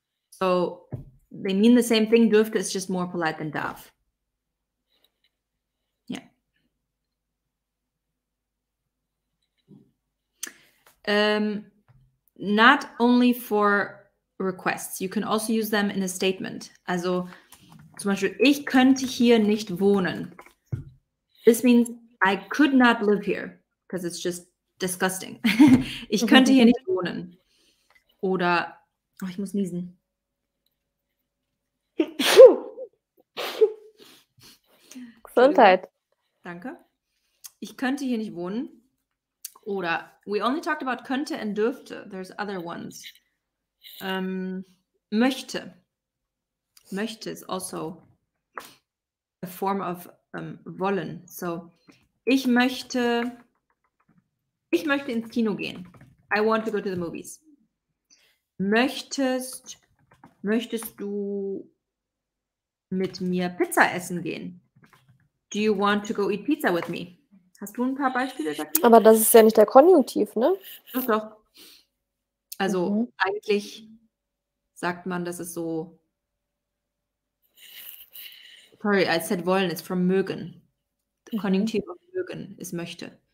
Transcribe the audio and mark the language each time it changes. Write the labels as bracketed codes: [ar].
[en] So, they mean the same thing. Dürfte is just more polite than darf. Yeah. Not only for requests. You can also use them in a statement. [de] Also, zum Beispiel, ich könnte hier nicht wohnen. [en] This means I could not live here, because it's just disgusting. [de] Ich könnte hier nicht wohnen. Oder, oh, ich muss niesen. Gesundheit. Danke. Ich könnte hier nicht wohnen. Oder [en] we only talked about könnte and dürfte. There's other ones. [de] Möchte. Möchte is also a form of wollen. So ich möchte ins Kino gehen. [en] I want to go to the movies. [de] Möchtest du mit mir Pizza essen gehen? [en] Do you want to go eat pizza with me? [de] Hast du ein paar Beispiele dazu? Aber das ist ja nicht der Konjunktiv, ne? Doch, doch. Also eigentlich sagt man, dass es so. [en] Sorry, I said wollen, it's from mögen. The Konjunktiv of mögen ist möchte.